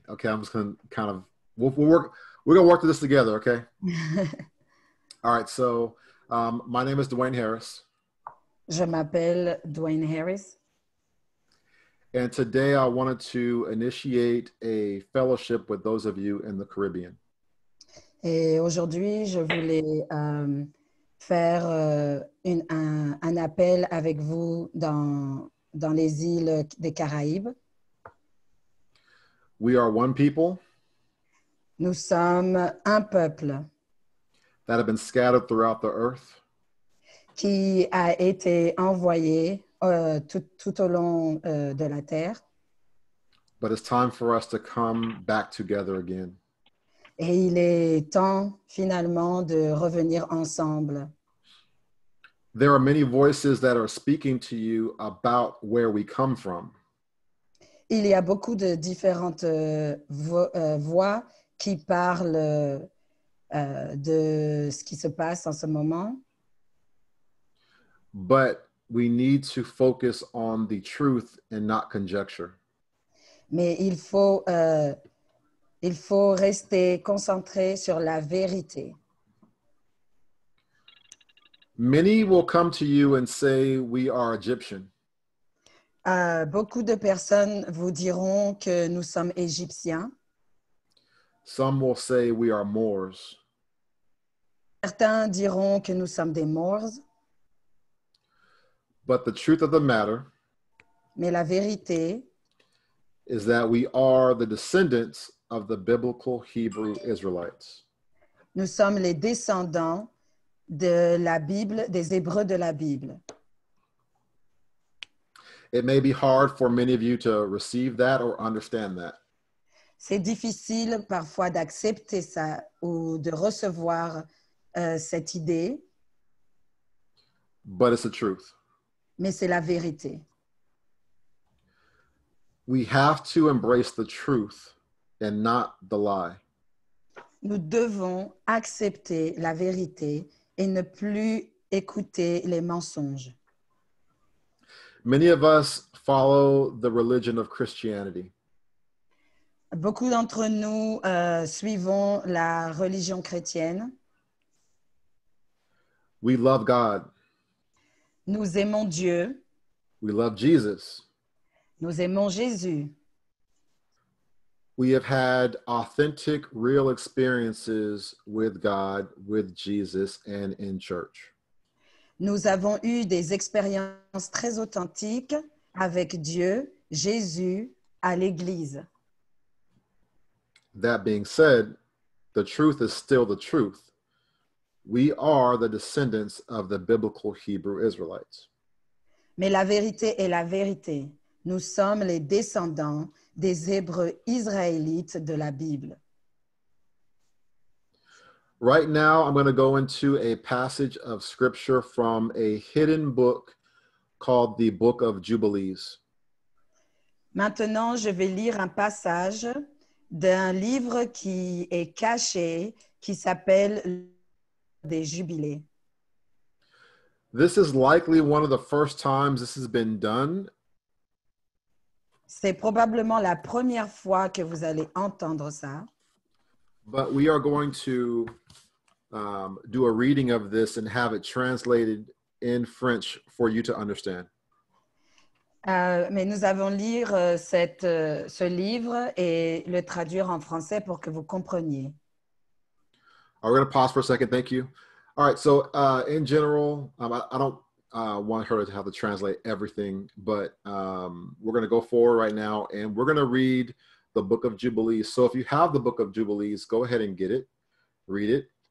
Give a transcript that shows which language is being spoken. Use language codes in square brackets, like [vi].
[en] Okay, I'm just going to kind of, we're going to work through this together, okay? All right, so my name is Dwayne Harris. [fr] Je m'appelle Dwayne Harris. [en] And today I wanted to initiate a fellowship with those of you in the Caribbean. [fr] Et aujourd'hui, je voulais faire un appel avec vous dans les îles des Caraïbes. [en] We are one people. [fr] Nous sommes un peuple. [en] That have been scattered throughout the earth. [fr] Qui a été envoyé tout au long de la terre. [en] But it's time for us to come back together again. [fr] Et il est temps finalement de revenir ensemble. [en] There are many voices that are speaking to you about where we come from. [fr] Il y a beaucoup de différentes voix qui parlent de ce qui se passe en ce moment. [en] But we need to focus on the truth and not conjecture. [fr] Mais il faut rester concentré sur la vérité. [en] Many will come to you and say we are Egyptian. [fr] Beaucoup de personnes vous diront que nous sommes égyptiens. [en] Some will say we are Moors. [fr] Certains diront que nous sommes des Moors. [en] But the truth of the matter, [fr] mais la vérité, [en] is that we are the descendants of the biblical Hebrew Israelites. [fr] Nous sommes les descendants de la Bible, des Hébreux de la Bible. [en] It may be hard for many of you to receive that or understand that. [fr] C'est difficile parfois d'accepter ça ou de recevoir cette idée. [en] But it's the truth. [fr] Mais c'est la vérité. [en] We have to embrace the truth and not the lie. [fr] Nous devons accepter la vérité et ne plus écouter les mensonges. [en] Many of us follow the religion of Christianity. [fr] Beaucoup d'entre nous suivons la religion chrétienne. [en] We love God. [fr] Nous aimons Dieu. [en] We love Jesus. [fr] Nous aimons Jésus. [en] We have had authentic, real experiences with God, with Jesus, and in church. [fr] Nous avons eu des expériences très authentiques avec Dieu, Jésus, à l'église. [en] That being said, the truth is still the truth. We are the descendants of the biblical Hebrew Israelites. [fr] Mais la vérité est la vérité. Nous sommes les descendants des Hébreux israélites de la Bible. [en] Right now, I'm going to go into a passage of scripture from a hidden book called the Book of Jubilees. [fr] Maintenant, je vais lire un passage d'un livre qui est caché, qui s'appelle des Jubilés. [en] This is likely one of the first times this has been done. [fr] C'est probablement la première fois que vous allez entendre ça. [en] But we are going to do a reading of this and have it translated in French for you to understand. [fr] Mais nous allons lire ce livre et le traduire en français pour que vous compreniez. [en] Alright, we're going to pause for a second. Thank you. All right. So in general, I don't want her to have to translate everything, but we're going to go forward right now and we're going to read the Book of Jubilees. So if you have the Book of Jubilees, go ahead and get it, read it.